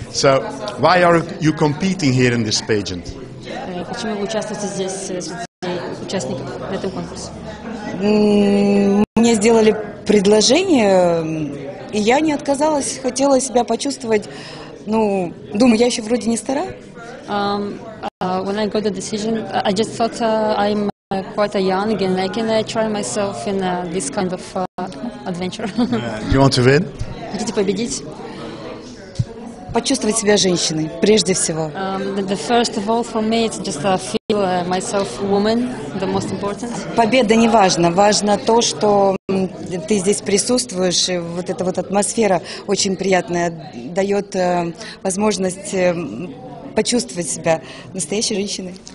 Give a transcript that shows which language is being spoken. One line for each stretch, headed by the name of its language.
English: So, why are you competing here in this pageant?
Russian: Почему вы участвуете здесь? Участников на этом конкурсе. Мне сделали предложение, и я не отказалась, хотела себя почувствовать. Ну, думаю, я еще вроде не стара.
English: When I got the decision, I just thought I'm quite a young and I can try myself in this kind of adventure. You want to win?
Russian: Хотите победить? Почувствовать себя женщиной, прежде всего.
English: The first of all for me it's just to feel myself woman, the most important.
Russian: Победа не важна, важно то, что ты здесь присутствуешь, и вот эта вот атмосфера очень приятная, дает возможность почувствовать себя настоящей женщиной.